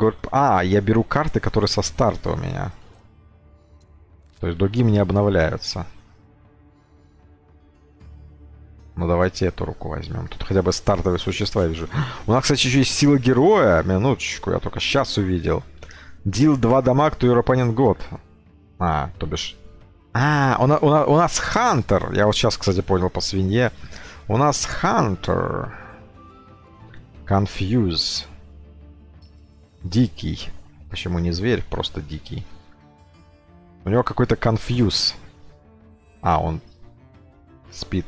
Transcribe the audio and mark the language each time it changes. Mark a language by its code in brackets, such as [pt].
[ru] А, я беру карты, которые со старта у меня. То есть другие мне обновляются. Ну, давайте эту руку возьмем. Тут хотя бы стартовые существа я вижу. У нас, кстати, еще есть сила героя. Минуточку, я только сейчас увидел. [en] Deal 2 дамаг to your opponent god. [ru] А, то бишь... А, у нас Hunter. Я вот сейчас, кстати, понял по свинье. У нас Hunter. Confuse. Дикий. Почему не зверь, просто дикий. У него какой-то конфьюз. А, он... Спит.